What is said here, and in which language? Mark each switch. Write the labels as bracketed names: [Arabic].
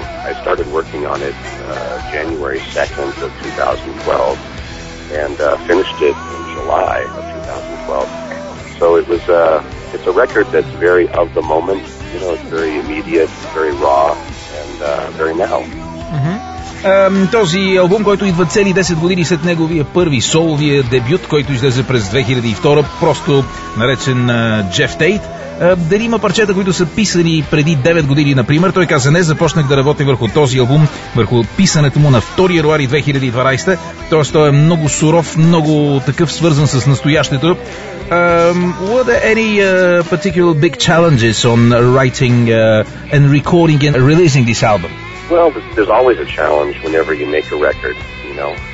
[English] I started working on it January 2nd of 2012 and finished it in July of 2012. So it was it's a record that's very of the moment, you know, it's very immediate, very raw, and very now. [Bulgarian] Този албум, който идва цели 10 години след неговия първи соловия дебют, който излезе през 2002, просто наречен Джеф Тейт. Дали има парчета, които са писани преди 9 години, например? Той каза, не, започнах да работя върху този албум, върху писането му на 2 януари 2012. Тоест, той е много суров, много такъв свързан с настоящето. [English] Were there any particular big challenges on writing and recording and releasing this album? Well, there's always a challenge whenever you make a record, you know.